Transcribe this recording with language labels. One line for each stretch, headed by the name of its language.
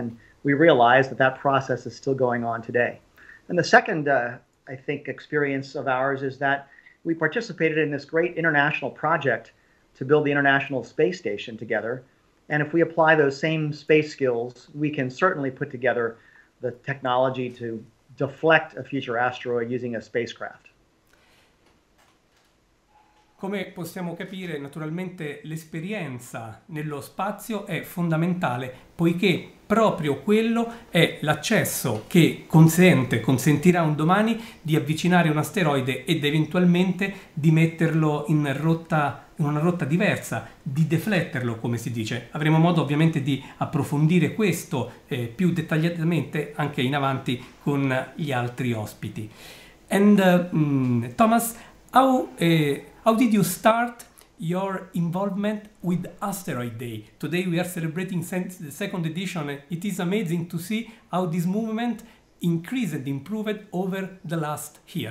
English: And we realize that that process is still going on today. And the second, I think, experience of ours is that we participated in this great international project to build the International Space Station together. And if we apply those same space skills, we can certainly put together the technology to deflect a future asteroid using a spacecraft.
Italian: Come possiamo capire, naturalmente l'esperienza nello spazio è fondamentale, poiché proprio quello è l'accesso che consentirà un domani di avvicinare un asteroide ed eventualmente di metterlo in rotta una rotta diversa, di defletterlo, come si dice. Avremo modo ovviamente di approfondire questo più dettagliatamente anche in avanti con gli altri ospiti.
English: And Thomas, how did you start your involvement with Asteroid Day? Today we are celebrating the second edition. It is amazing to see how this movement increased and improved over the last year.